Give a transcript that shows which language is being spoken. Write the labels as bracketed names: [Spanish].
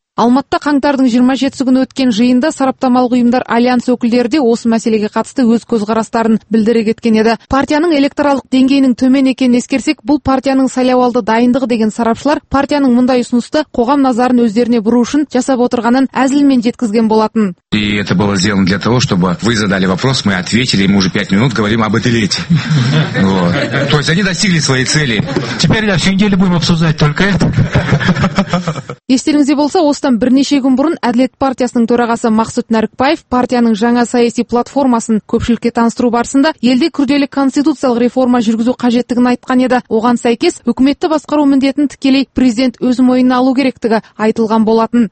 [Kazakh] Алматыда қаңтардың 27-сі күні өткен жиында сараптамалық ұйымдар альянс өкілдері де осы мәселеге қатысты өз көзқарастарын білдіре кеткен еді. Партияның электоралдық деңгейінің төмен екенін ескерсек, бұл партияның сайлауалды дайындығы деген сарапшылар партияның мұндай ұсынысты қоғам назарын өздеріне бұру үшін жасап отырғанын әзілмен жеткізген болатын. [Russian] И это было сделано для того, чтобы вы задали вопрос, мы ответили, и мы уже 5 минут говорим об Эдилете. Вот. То есть они достигли своей цели. Теперь на всю неделю будем обсуждать только это. [Kazakh] Естеріңізде болса, осыдан бірнеше күн бұрын Әділет партиясының төрағасы Мақсұт Нәрікбаев партияның жаңа саяси платформасын көпшілікке таныстыру барысында елде күрделі конституциялық реформа жүргізу қажеттігін айтқан еді. Оған сәйкес үкіметті басқару міндетін тікелей президент өз мойнына алу керектігі айтылған болатын.